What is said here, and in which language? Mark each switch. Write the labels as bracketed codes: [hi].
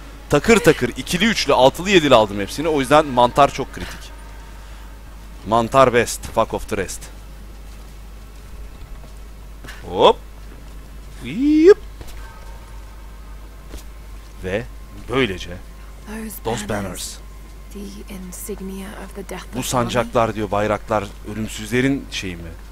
[tr] Takır takır ikili üçlü altılı yedili aldım hepsini. O yüzden mantar çok kritik. [en] Mantar best. Fuck off the rest. Hop. Yip. [tr] Ve böylece [en] those banners. The insignia of the death. [tr] Bu sancaklar diyor, bayraklar ölümsüzlerin şeyi mi?